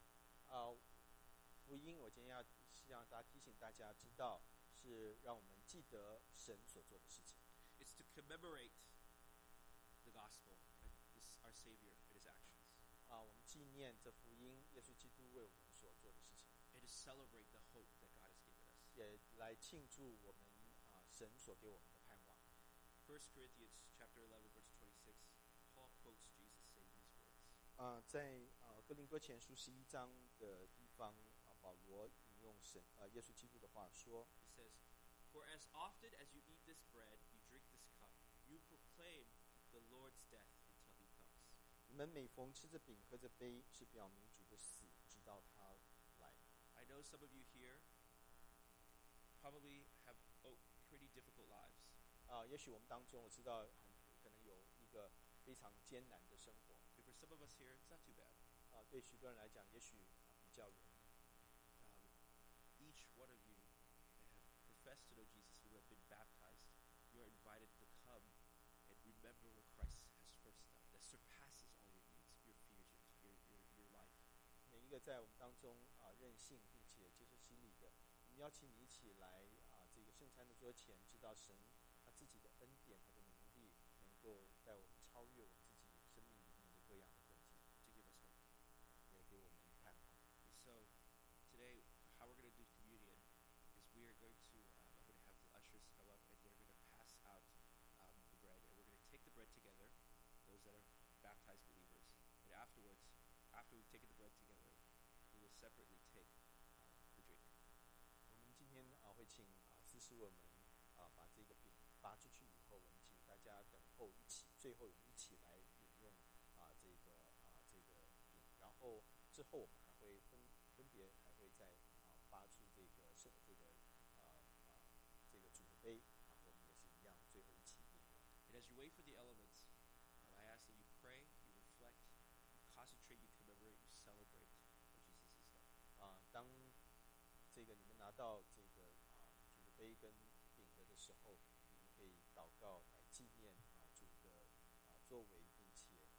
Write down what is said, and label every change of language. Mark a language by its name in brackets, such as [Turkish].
[Chinese] 福音我今天要是让大家提醒大家知道是让我们记得神所做的事情。 [English] It's to commemorate the gospel and this, our Savior and his actions. [Chinese] 我们纪念这福音耶稣基督为我们所做的事情。 [English] And to celebrate the hope that God has given us. [Chinese] 也来庆祝我们神所给我们的盼望。 [English] 1 Corinthians chapter 11 verse 26, Paul quotes Jesus saying these words. [Chinese] 在哥林哥前书十一章的地方保罗引用耶稣基督的话说 [English] He says For as often as you eat this bread you drink this cup you proclaim the Lord's death until he comes [Chinese] 你们每逢吃着饼喝着杯是表明主的死直到他来 [English] I know some of you here probably have pretty difficult lives [Chinese] 也许我们当中我知道可能有一个非常艰难的生活 [English] For some of us here, it's not too bad. [Chinese] 对许多人来讲，也许比较容易。 [English] Each one of you that have professed to know Jesus, who have been baptized, you are invited to come and remember what Christ has first done, that surpasses all your needs, your fears, your life. [Chinese] 每一个在我们当中任性并且接受洗礼的，我们邀请你一起来这个圣餐的桌前，知道神他自己的恩典，他的能力，能够带我们超越我们自己生命。各样的困境 [English] to give us hope. [Chinese] 也给我们盼望。 [English] So today, how we're going to do communion is we are going to, we're going to have the ushers come up and they're going to pass out the bread. And we're going to take the bread together, those that are baptized believers. And afterwards, after we've taken the bread together, we will separately take the drink. [Chinese] 我们今天会请司师为我们把这个饼发出去以后，我们请大家等候一起，最后我们一起来饮用。这个饼，然后之后我们还会分别还会再发出这个主的杯，然后我们也是一样，最后一起饮用。 [English] And as you wait for the elements, I ask that you pray, you reflect, you concentrate, you commemorate, you celebrate what Jesus has done. [Chinese] 当这个你们拿到这个主的杯跟饼的时候，你们可以祷告来纪念主的作为，并且。